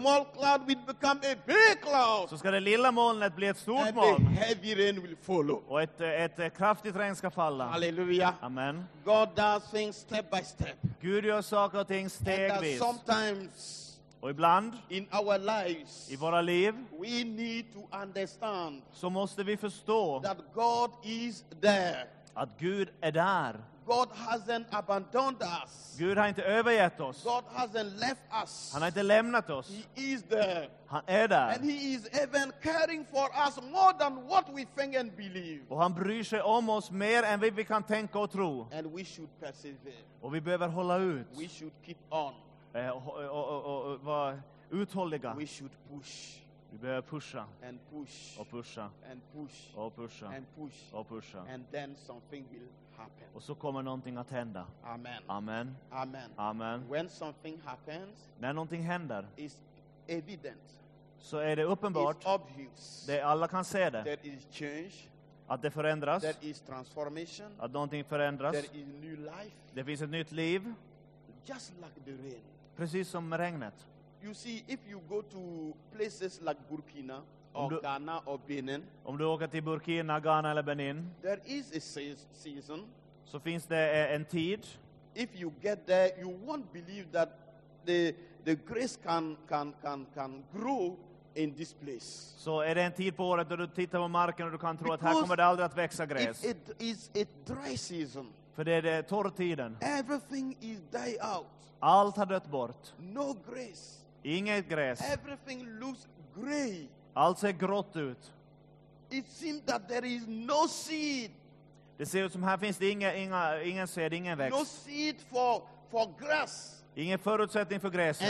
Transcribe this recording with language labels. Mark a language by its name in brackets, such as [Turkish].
[English] small cloud will become a big cloud. [Swedish] Så ska det lilla molnet bli ett stort [English] and [Swedish] moln. [English] And a heavy rain will follow. [Swedish] Och ett kraftigt regn ska falla. Halleluja. Amen. [English] God does things step by step. [Swedish] Gud gör saker och ting stegvis. [English] Sometimes, [Swedish] och ibland [English] in our lives, [Swedish] i våra liv [English] we need to understand [Swedish] så måste vi förstå [English] that God is there. [Swedish] Att Gud är där. [English] God hasn't abandoned us. [Swedish] Gud har inte övergett oss. [English] God hasn't left us. [Swedish] Han har inte lämnat oss. [English] He is there. [Swedish] Han är där. [English] And he is even caring for us more than what we think and believe. [Swedish] Och han bryr sig om oss mer än vi kan tänka och tro. [English] And we should persevere. [Swedish] Och vi behöver hålla ut. [English] We should keep on. [Swedish] Och vara uthålliga. [English] We should push. [Swedish] Vi behöver pusha. [English] And push. [Swedish] Och pusha. [English] And push. [Swedish] Och pusha. [English] And push. [Swedish] Och pusha. [English] And then something will happen. [Swedish] Och så kommer någonting att hända. Amen. Amen. Amen. Amen. [English] When something happens, [Swedish] när någonting händer, [English] is evident. [Swedish] Så är det uppenbart. [English] It's obvious. [Swedish] Det alla kan se det. [English] There is change. [Swedish] Att det förändras. [English] There is transformation. [Swedish] Att någonting förändras. [English] There is new life. [Swedish] Det finns ett nytt liv. [English] Just like the rain. [Swedish] Precis som regnet. [English] You see, if you go to places like Burkina or Ghana or Benin, [Swedish] om du åker till Burkina, Ghana eller Benin, [English] there is a season. [Swedish] Så finns det en tid. [English] If you get there, you won't believe that the grace can grow in this place. [Swedish] Så är det en tid på året då du tittar på marken och du kan tro att här kommer det aldrig att växa gräs. [English] It is a dry season. [Swedish] För det är det torr tiden. [English] Everything is die out. [Swedish] Allt har dött bort. [English] No grace. [Swedish] Inget gräs. [English] Everything looks gray. [Swedish] Allt ser grått ut. [English] It seems that there is no seed. [Swedish] Det ser ut som här finns det ingen säd, ingen växt. [English] No seed for grass. [Swedish] Ingen förutsättning för gräset.